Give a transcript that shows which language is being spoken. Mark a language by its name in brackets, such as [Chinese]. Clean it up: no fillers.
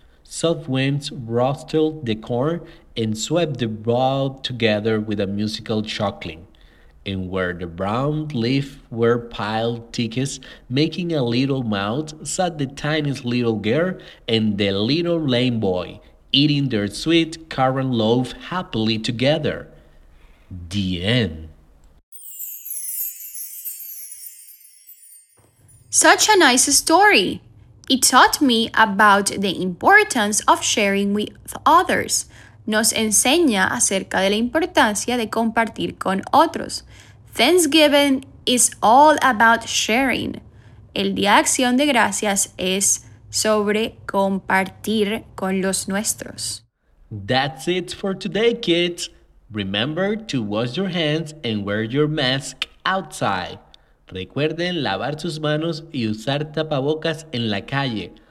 [English] Soft winds rustled the corn and swept the bough together with a musical chuckling, and where the brown leaves were piled thickest, making a little mound, sat the tiniest little girl and the little lame boy, eating their sweet currant loaf happily together. The end. Such a nice story. It taught me about the importance of sharing with others. [Spanish] Nos enseña acerca de la importancia de compartir con otros. [English] Thanksgiving is all about sharing. [Spanish] El Día de Acción de Gracias es sobre compartir con los nuestros. [English] That's it for today, kids. Remember to wash your hands and wear your mask outside. [Spanish] Recuerden lavar sus manos y usar tapabocas en la calle.